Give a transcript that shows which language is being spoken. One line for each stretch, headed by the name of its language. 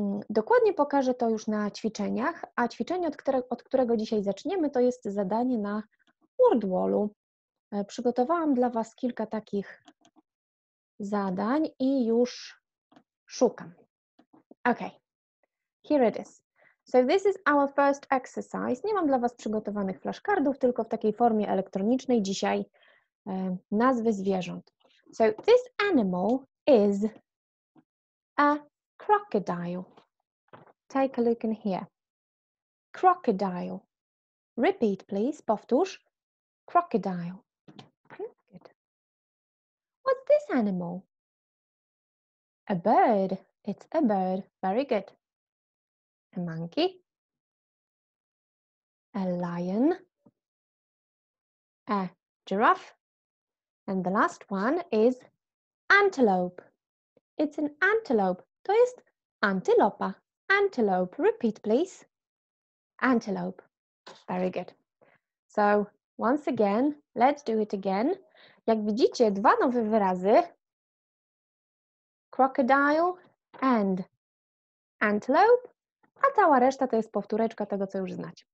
Polish: Dokładnie pokażę to już na ćwiczeniach, a ćwiczenie, od którego dzisiaj zaczniemy, to jest zadanie na Wordwallu. Przygotowałam dla Was kilka takich zadań i już szukam.
English: Ok, here it is. So this is our first exercise.
Polish: Nie mam dla Was przygotowanych flashcardów, tylko w takiej formie elektronicznej dzisiaj nazwy zwierząt.
English: So this animal is a crocodile. Take a look in here. Crocodile. Repeat, please.
Polish: Powtórz.
English: Crocodile. Good. What's this animal? A bird. It's a bird. Very good. A monkey. A lion. A giraffe. And the last one is antelope. It's an antelope.
Polish: To jest antylopa.
English: Antelope. Repeat, please. Antelope. Very good. So, once again, let's do it again.
Polish: Jak widzicie, dwa nowe wyrazy.
English: Crocodile and antelope.
Polish: A cała reszta to jest powtóreczka tego, co już znacie.